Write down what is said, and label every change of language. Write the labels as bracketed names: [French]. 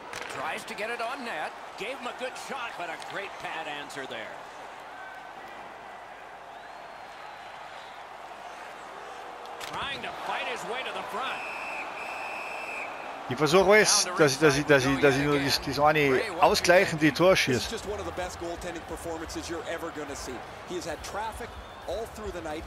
[English] Tries to get it on net. Gave him a good shot, but a great pad answer there. Trying to fight his way to the front. [German] Ich versuche es, dass ich nur das eine ausgleichende Tor schieße. [English] Just one of the best goaltending performances you're ever gonna see. He has had traffic all through the night.